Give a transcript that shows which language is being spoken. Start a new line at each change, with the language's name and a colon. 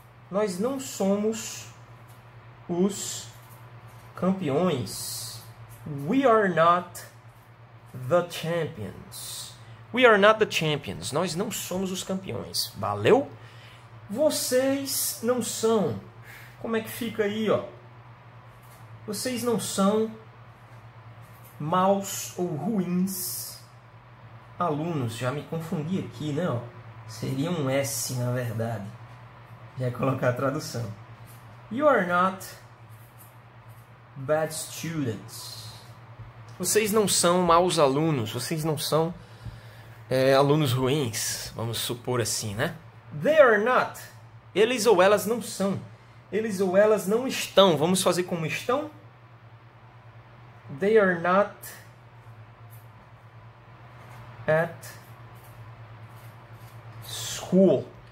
Portuguese: Nós não somos os campeões.
English: We are not the champions. We are not the champions.
Portuguese: Nós não somos os campeões. Valeu? Vocês não são. Como é que fica aí, ó? Vocês não são maus ou ruins alunos. Já me confundi aqui, né? Ó? Seria um S, na verdade. Já ia colocar a tradução.
English: You are not bad students.
Portuguese: Vocês não são maus alunos. Vocês não são alunos ruins. Vamos supor assim, né?
English: They are not.
Portuguese: Eles ou elas não são. Eles ou elas não estão. Vamos fazer como estão?
English: They are not at school.